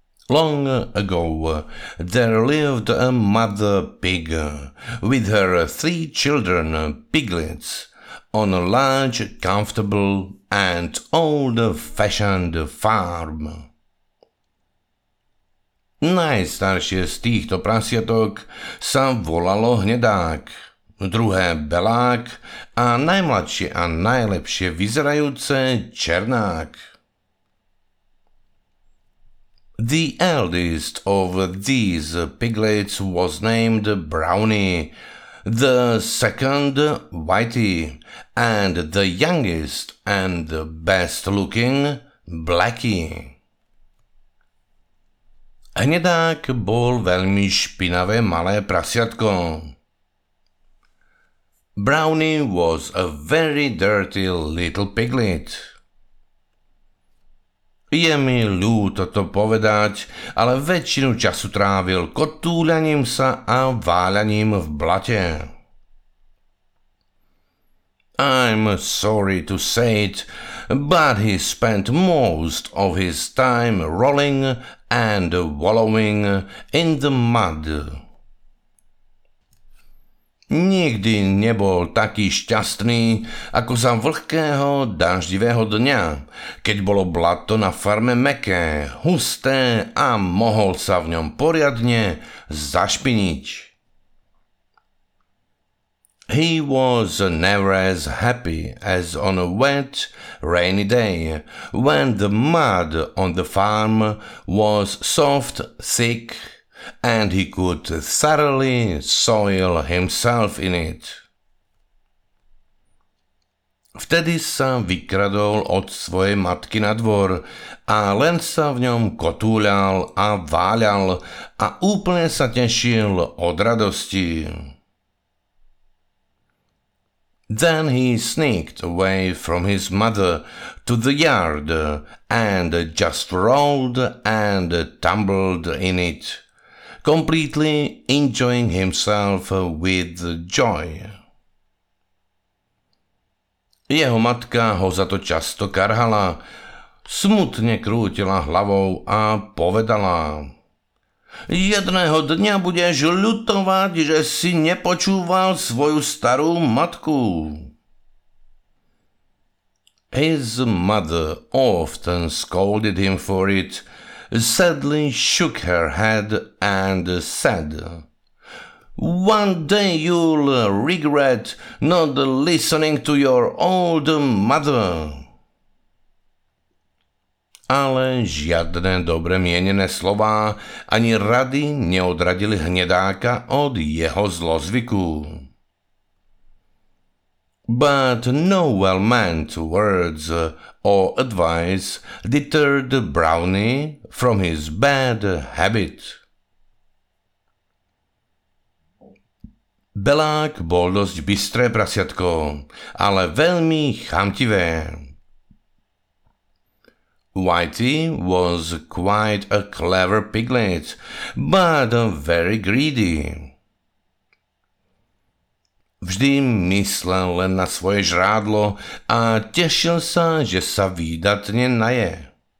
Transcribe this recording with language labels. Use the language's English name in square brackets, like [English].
[English] Long ago, there lived a mother pig with her three children piglets on a large, comfortable and old-fashioned farm. [Slovak] Najstaršie z týchto prasiatok sa volalo Hnedák, druhé Belák a najmladšie a najlepšie vyzerajúce Černák. [English] The eldest of these piglets was named Brownie, the second Whitey, and the youngest and best looking Blackie. [Slovak] Hnedák bol veľmi špinavé malé prasiatko. [English] Brownie was a very dirty little piglet. [Slovak] Je mi ľúto to povedať, ale väčšinu času trávil kotúľaním sa a váľaním v blate. [English] I'm sorry to say it, but he spent most of his time rolling and wallowing in the mud. [Slovak] Nikdy nebol taký šťastný ako za vlhkého, daždivého dňa, keď bolo blato na farme mäkké, husté a mohol sa v ňom poriadne zašpiniť. [English] He was never as happy as on a wet, rainy day, when the mud on the farm was soft, thick, and he could thoroughly soil himself in it. [Slovak] Vtedy sa vykradol od svojej matky na dvor a len sa v ňom kotúľal a váľal a úplne sa tešil od radosti. [English] Then he sneaked away from his mother to the yard and just rolled and tumbled in it, completely enjoying himself with joy. [Slovak] Jeho matka ho za to často karhala, smutne krútila hlavou a povedala: Jedného dňa budeš ľutovať, že si nepočúval svoju starú matku. [English] His mother often scolded him for it, sadly shook her head and said, One day you'll regret not listening to your old mother. [Slovak] Ale žiadne dobre mienené slová ani rady neodradili Hnedáka od jeho zlozvyku. [English] But no well-meant words or advice deterred Brownie from his bad habit. [Slovak] Belák bol dosť bystré prasiatko, ale veľmi chamtivé. [English] Whitey was quite a clever piglet, but very greedy. [Slovak] Vždy myslel len na svoje žrádlo a tešil sa, že sa výdatne naje.